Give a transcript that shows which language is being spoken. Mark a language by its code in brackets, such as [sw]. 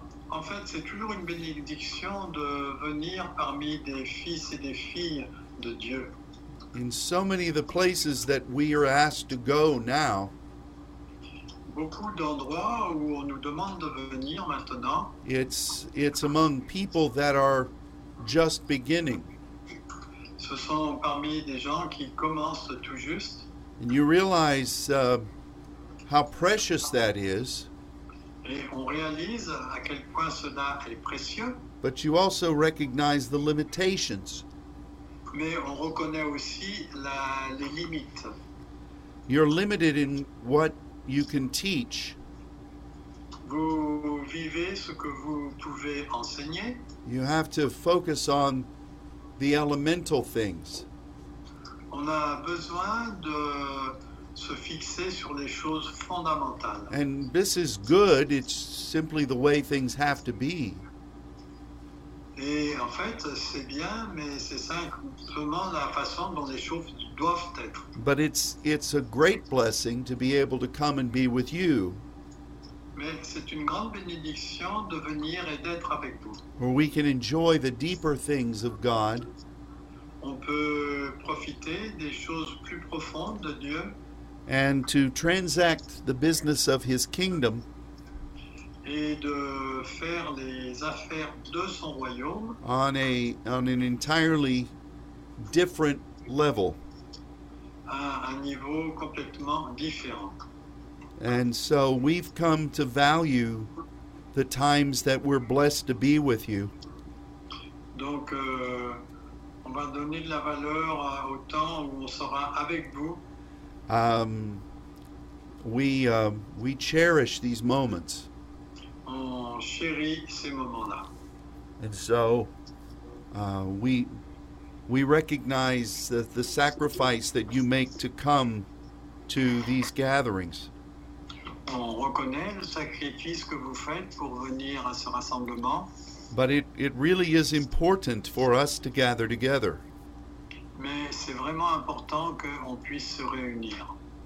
[fr] En fait, c'est toujours une bénédiction de venir parmi des fils et des filles de Dieu. [en] In so many of the places that we are asked to go now, [fr] beaucoup d'endroits où on nous demande de venir maintenant, [en] it's among people that are just beginning. [fr] Ce sont parmi des gens qui commencent tout juste. [en] And you realize how precious that is. [fr] Et on réalise à quel point cela est précieux. [en] But you also recognize the limitations. [fr] Mais on reconnaît aussi les limites. [en] You're limited in what you can teach. [fr] Vous vivez ce que vous pouvez enseigner. [en] You have to focus on the elemental things. [fr] On a besoin de se fixer sur les choses fondamentales. [en] And this is good, it's simply the way things have to be. [fr] Et en fait, c'est bien, mais c'est simplement la façon dont les choses doivent être. [en] But it's a great blessing to be able to come and be with you. [fr] Mais c'est une grande bénédiction de venir et d'être avec vous. [en] Where we can enjoy the deeper things of God. [fr] on peut profiter des choses plus profondes de Dieu. [en] And to transact the business of his kingdom. [fr] Et de faire les affaires de son royaume. [en] On an entirely different level. [fr] À un niveau complètement différent. [en] And so we've come to value the times that we're blessed to be with you. [fr] Donc, on va donner de la valeur au temps où on sera avec vous. [en] We cherish these moments. [fr] On chérit ces moments-là. [en] And so, we recognize the sacrifice that you make to come to these gatherings. [fr] On reconnaît le sacrifice que vous faites pour venir à ce rassemblement. [en] But it really is important for us to gather together. [fr] Mais c'est vraiment important que on puisse se réunir.